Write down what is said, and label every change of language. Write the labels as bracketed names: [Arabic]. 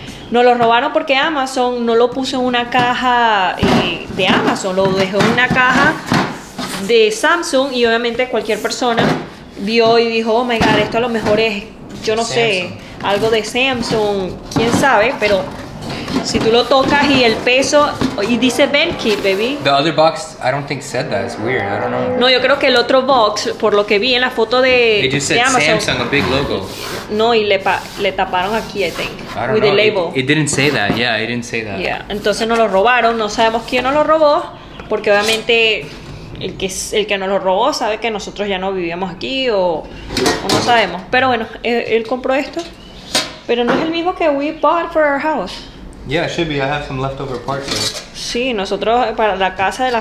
[Spanish] Nos lo robaron porque Amazon no lo puso en una caja de Amazon, lo dejó en una caja de Samsung. Y obviamente cualquier persona vio y dijo, [English] oh my god, [Spanish] esto a lo mejor es, yo no sé, algo de Samsung, quién sabe, pero si tú lo tocas y el peso, y dice Benkit, baby. [English] The other box, I don't think said that. It's weird. I don't know. [Spanish] No, yo creo que el otro box, por lo que vi en la foto de [English] Amazon. They just said Amazon, Samsung, a big logo. [Spanish] No, y le taparon aquí, [English] I think. I don't with know. The label. It didn't say that. Yeah, it didn't say that. Yeah. [Spanish] Entonces no lo robaron. No sabemos quién nos lo robó, porque obviamente el que nos lo robó sabe que nosotros ya no vivíamos aquí o no sabemos. Pero bueno, él compró esto. Pero no es el mismo que [English] we bought for our house. Yeah, it should be. I have some leftover parts here. [Spanish] Sí, nosotros para la casa de la